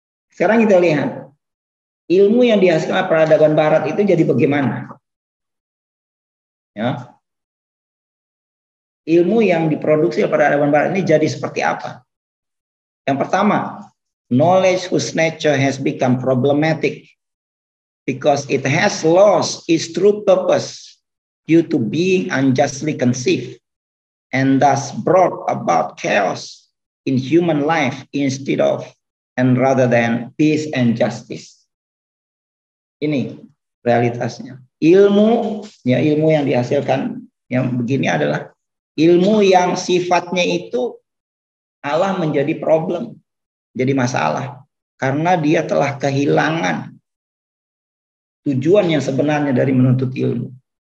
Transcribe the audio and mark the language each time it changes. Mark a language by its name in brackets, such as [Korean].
[Indonesian] Sekarang kita lihat ilmu yang dihasilkan oleh peradaban Barat itu jadi bagaimana? Ya. Ilmu yang diproduksi oleh peradaban Barat ini jadi seperti apa? [English] Yang pertama, knowledge whose nature has become problematic because it has lost its true purpose due to being unjustly conceived and thus brought about chaos in human life instead of and rather than peace and justice. [Indonesian] Ini realitasnya. Ilmu, ya ilmu yang dihasilkan yang begini adalah ilmu yang sifatnya itu Allah menjadi problem, jadi masalah karena dia telah kehilangan tujuan yang sebenarnya dari menuntut ilmu.